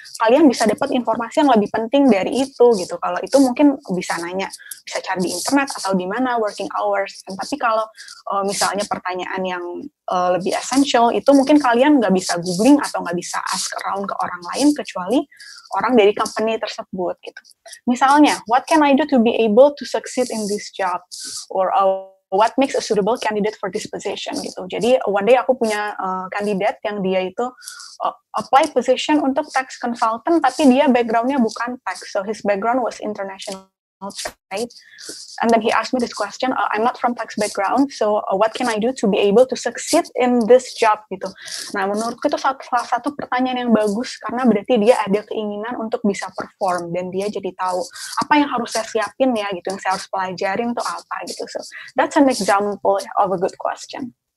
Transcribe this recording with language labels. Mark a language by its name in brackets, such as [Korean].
[Indonesian] Kalian bisa dapat informasi yang lebih penting dari itu gitu. Kalau itu mungkin bisa nanya, bisa cari di internet atau di mana working hours. Tapi kalau misalnya pertanyaan yang lebih essential, itu mungkin kalian nggak bisa googling atau nggak bisa ask around ke orang lain, kecuali orang dari company tersebut, gitu. [English] Misalnya, what can I do to be able to succeed in this job? Or what makes a suitable candidate for this position, gitu. [Indonesian] Jadi, one day aku punya kandidat yang dia itu apply position untuk tax consultant, tapi dia background-nya bukan tax, [English] so his background was international. Right? And then he asked me this question, I'm not from tax background, so what can I do to be able to succeed in this job, gitu. [Indonesian] Nah, menurutku itu salah satu pertanyaan yang bagus, karena berarti dia ada keinginan untuk bisa perform, dan dia jadi tahu apa yang harus saya siapin ya, gitu, yang saya harus pelajarin itu apa, gitu. [English] So, that's an example of a good question.